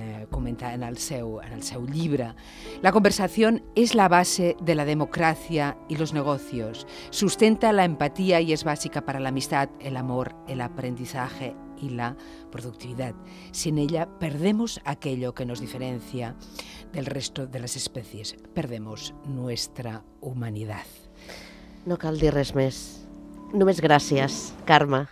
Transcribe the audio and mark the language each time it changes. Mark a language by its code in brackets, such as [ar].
[ca] comenta en el seu llibre. [es] La conversación es la base de la democracia y los negocios. Sustenta la empatía y es básica para la amistad, el amor, el aprendizaje y la productividad. Sin ella perdemos aquello que nos diferencia del resto de las especies. Perdemos nuestra humanidad. [ca] No cal dir res més. Només gràcies, Carme.